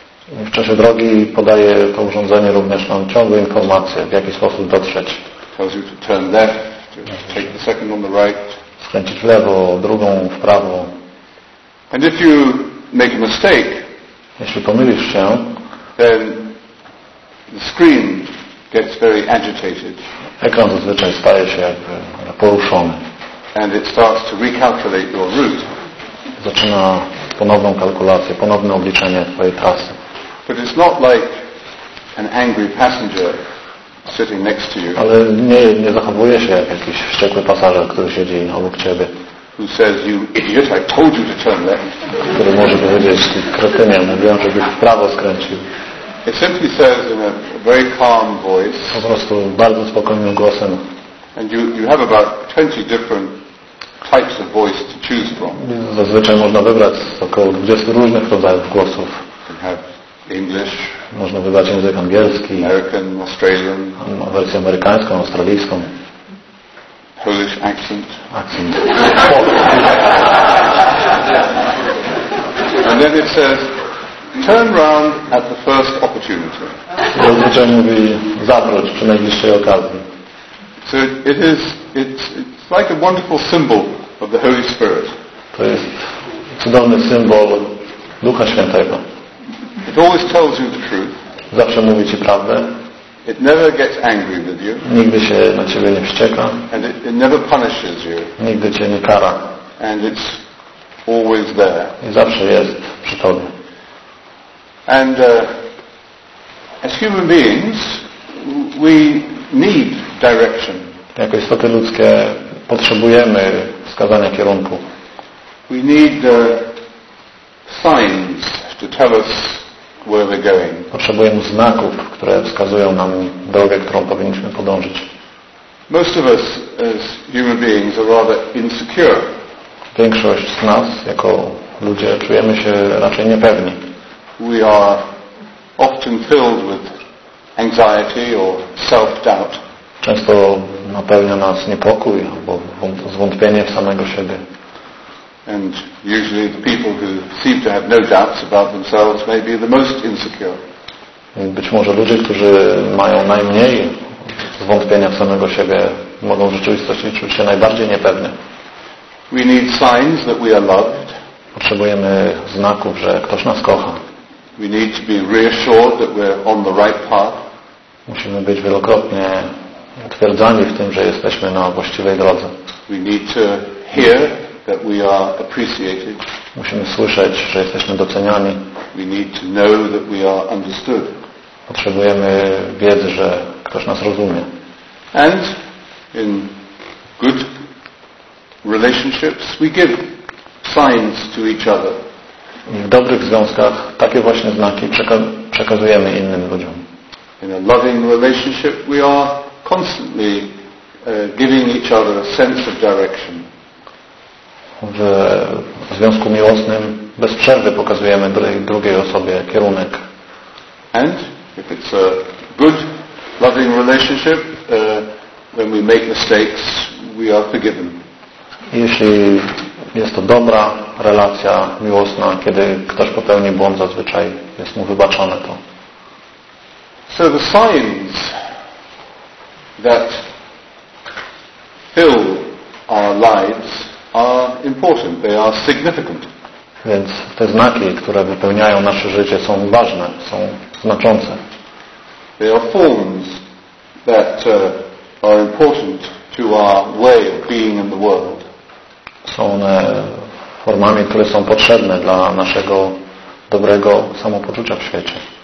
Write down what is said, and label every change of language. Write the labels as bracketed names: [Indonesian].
[Polish] W czasie drogi podaje to urządzenie również nam ciągłe informacje, w jaki sposób dotrzeć. [English] Tells you to turn left, to take the second on the right. [Polish] Skręcić w lewo, drugą w prawo. [English] And if you make a mistake, [Polish] jeśli pomylisz się, [English] then the screen gets very agitated. [Polish] Ekran zazwyczaj staje się jakby poruszony. [English] And it starts to recalculate your route. [Polish] Zaczyna ponowną kalkulację, ponowne obliczenie twojej trasy. [English] But it's not like an angry passenger sitting next to you. [Polish] Ale nie zachowuje się jak jakiś wściekły pasażer, który siedzi obok ciebie. [English] Who says, you idiot, I told you to turn left. [Polish] Który może powiedzieć, ty kretynie, mówiłem, żebyś w prawo skręcił. [English] It simply says in a very calm voice. [Polish] Po prostu bardzo spokojnym głosem. [English] And you have about 20 different types of voice to choose from. [Polish] Zazwyczaj można wybrać około 20 różnych rodzajów głosów. [English] You have English, [Polish] można wybrać język angielski, [English] American, Australian, [Polish] wersję amerykańską, australijską, [English] Polish accent. Accent. And then it says, turn round at the first opportunity. [Polish] Zazwyczaj mówi, zawróć przy najbliższej okazji. [English] So it's like a wonderful symbol of the Holy Spirit. [Polish] To jest cudowny symbol Ducha Świętego. [English] It always tells you the truth. [Polish] Zawsze mówi ci prawdę. [English] It never gets angry with you. [Polish] Nigdy się na ciebie nie wścieka. [English] And it never punishes you. [Polish] Nigdy cię nie kara. [English] And it's always there. [Polish] I zawsze jest przy tobie. [English] And as human beings, we need direction. [Polish] Jako istoty ludzkie potrzebujemy wskazania kierunku. [English] We need signs to tell us where we're going. [Polish] Potrzebujemy znaków, które wskazują nam drogę, którą powinniśmy podążyć. [English] Most of us as human beings are rather insecure. [Polish] Większość z nas jako Ludzie czujemy się raczej niepewni. [English] We are often filled with anxiety or self-doubt. [Polish] Często napełnia nas niepokój albo zwątpienie w samego siebie. [English] And usually the people who seem to have no doubts about themselves may be the most insecure. [Polish] Być może ludzie, którzy mają najmniej zwątpienia w samego siebie, mogą w rzeczywistości czuć się najbardziej niepewnie. [English] We need signs that we are loved. [Polish] Potrzebujemy znaków, że ktoś nas kocha. [English] We need to be reassured that we're on the right path. [Polish] Musimy być wielokrotnie utwierdzani w tym, że jesteśmy na właściwej drodze. [English] We need to hear that we are appreciated. [Polish] Musimy słyszeć, że jesteśmy doceniani. [English] We need to know that we are understood. [Polish] Potrzebujemy wiedzy, że ktoś nas rozumie. [English] And in good relationships we give signs to each other. [Polish] W dobrych związkach takie właśnie znaki przekazujemy innym ludziom. [English] In a loving relationship we are constantly giving each other a sense of direction. [Polish] W związku miłosnym bez przerwy pokazujemy drugiej osobie kierunek. [English] And if it's a good loving relationship, when we make mistakes, we are forgiven. [Polish] Jeśli jest to dobra relacja miłosna, kiedy ktoś popełni błąd, zazwyczaj jest mu wybaczone to. [English] So the signs that fill our lives are important. They are significant. [Polish] Więc te znaki, które wypełniają nasze życie, są ważne, są znaczące. [English] They are forms that are important to our way of being in the world. [Polish] Są one formami, które są potrzebne dla naszego dobrego samopoczucia w świecie.